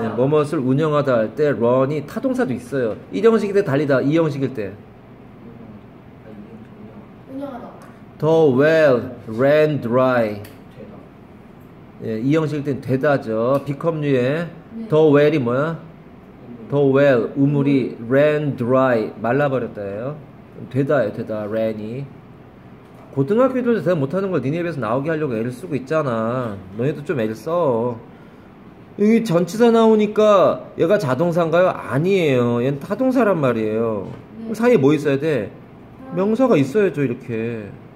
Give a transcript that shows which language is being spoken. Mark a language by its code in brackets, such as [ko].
[ko] 네, 뭐뭇을 운영하다 할 때 run이 타동사도 있어요. 1형식일 때 달리다, 2형식일 때 운영하다. [en] The well ran dry. [ko] 예, 이 형식일 땐 되다죠. become류에 네. the well이 뭐야? the well, 우물이 ran dry, 말라버렸다예요. 되다예요, 되다, ran이. 고등학교도 대답 못하는 걸 니네 입에서 나오게 하려고 애를 쓰고 있잖아. 너네도 좀 애를 써. 여기 전치사 나오니까 얘가 자동사인가요? 아니에요. 얘는 타동사란 말이에요. 네. 사이에 뭐 있어야 돼? 명사가 있어야죠, 이렇게.